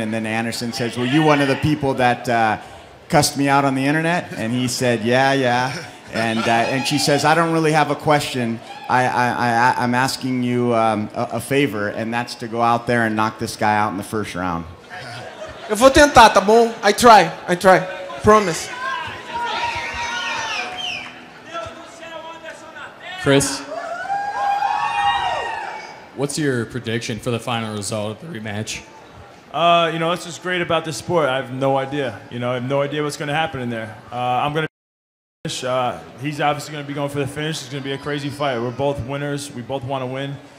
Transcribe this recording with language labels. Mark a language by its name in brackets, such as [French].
[English] And then Anderson says, were you one of the people that cussed me out on the internet? And he said, yeah. And she says, I don't really have a question. I'm asking you a favor, and that's to go out there and knock this guy out in the first round. [Portuguese] Eu vou tentar, tá bom? [English] I try. Promise. Chris, what's your prediction for the final result of the rematch? You know, that's what's great about this sport. I have no idea. You know, I have no idea what's going to happen in there. I'm going to finish. He's obviously going to be going for the finish. It's going to be a crazy fight. We're both winners. We both want to win.